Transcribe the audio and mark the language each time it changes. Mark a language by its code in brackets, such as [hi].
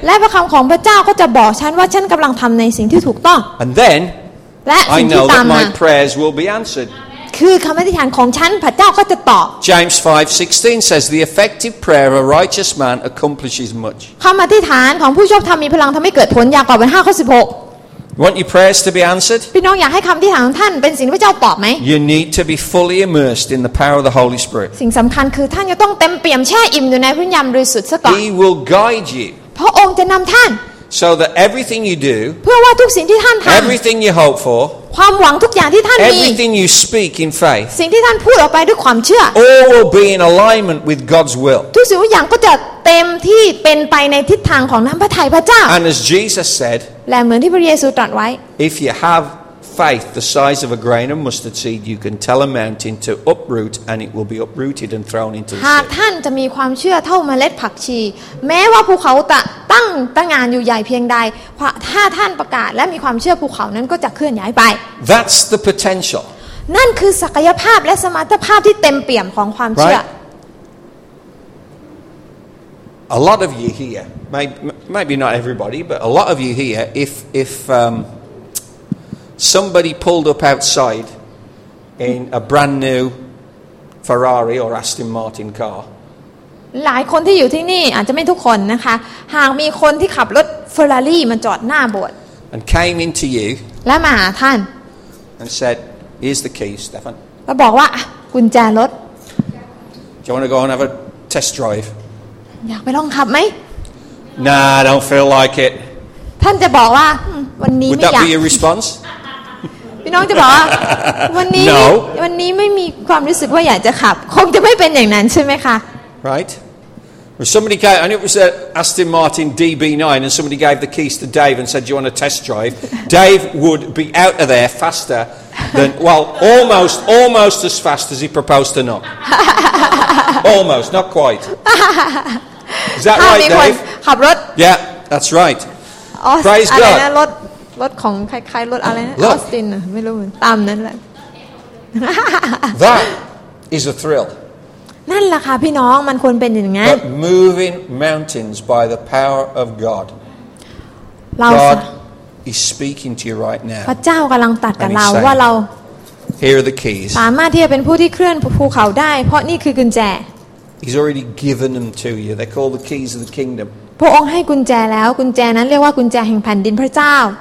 [th] และพระคำของพระเจ้าก็จะบอกฉันว่าฉันกำลังทำในสิ่งที่ถูกต้อง [en] And then [th] และสิ่งที่ตามมา [en] My prayers will be answered [th] คือคำอธิษฐานของฉันพระเจ้าก็จะตอบ [en] James 5:16 says the effective prayer of a righteous man accomplishes much [th] คำอธิษฐานของผู้ชอบธรรมมีพลังทำให้เกิดผลยากกว่าเป็น5ข้อ16 [en] Want your prayers to be answered [th] พี่น้องอยากให้คำอธิษฐานของท่านเป็นสิ่งที่พระเจ้าตอบไหม [en] You need to be fully immersed in the power of the Holy Spirit [th] สิ่งสำคัญคือท่านจะต้องเต็มเปี่ยมแช่อิ่มอยู่ในพระวิญญาณบริสุทธิ์ซะก่อน [en] He will guide you [th] พระองค์จะนำท่าน [en] So that everything you do, [th] เพื่อว่าทุกสิ่งที่ท่านทำ [en] everything you hope for, [th] ความหวังทุกอย่างที่ท่านมี [en] everything you speak in faith, [th] สิ่งที่ท่านพูดออกไปด้วยความเชื่อ [en] all will be in alignment with God's will. [th] ทุกสิ่งทุกอย่างก็จะเต็มที่เป็นไปในทิศทางของน้ำพระทัยพระเจ้า [en] And as Jesus said, [th] และเหมือนที่พระเยซูตรัสไว้ [en] If you have faith the size of a grain of mustard seed, you can tell a mountain to uproot, and it will be uprooted and thrown into the sea. [th] หากท่านจะมีความเชื่อเท่าเมล็ดผักชีแม้ว่าภูเขาจะตั้งงานอยู่ใหญ่เพียงใดถ้าท่านประกาศและมีความเชื่อภูเขานั้นก็จะเคลื่อนย้ายไป [en] That's the potential. [th] นั่นคือศักยภาพและสมรรถภาพที่เต็มเปี่ยมของความเชื่อ [en] Right. A lot of you here, maybe not everybody, but a lot of you here, if somebody pulled up outside in a brand new Ferrari or Aston Martin car. [th] หลายคนที่อยู่ที่นี่อาจจะไม่ทุกคนนะคะหากมีคนที่ขับรถ Ferrari มาจอดหน้าโบสถ์ [en] and came into you [th] และมาหาท่าน [en] and said here's the keys Stefan [th] แล้วบอกว่ากุญแจรถ [en] Do you want to go and have a test drive [th] อยากไปลองขับไหม [en] Nah I don't feel like it [th] ท่านจะบอกว่าวันนี้ไม่อยาก [en] Would that be your response [th] พี่น้องจะบอกวันนี้ไม่มีความรู้สึกว่าอยากจะขับคงจะไม่เป็นอย่างนั้นใช่ไหมคะ [en] Right well, somebody came and it was an Aston Martin DB9 and somebody gave the keys to Dave and said do you want a test drive Dave would be out of there faster than well almost as fast as he proposed to knock almost not quite is that right Dave [th] ขับรถ [en] Yeah that's right Praise God [th] รถของคล้ายๆรถอะไรนะออสตินไม่รู้เหมือนตามนั้นแหละ [en] That is a thrill [th] นั่นล่ะค่ะพี่น้องมันควรเป็นอย่างงั้น [en] But moving mountains by the power of God God is speaking to you right now [th] พระเจ้ากำลังตรัสกับเราว่าเรา [en] Here are the keys [th] สามารถที่จะเป็นผู้ที่เคลื่อนภูเขาได้เพราะนี่คือกุญแจ [en] He's already given them to you they're called the keys of the kingdom [th] พระองค์ให้กุญแจแล้วกุญแจนั้นเรียกว่ากุญแจแห่งแผ่นดินพระเจ้า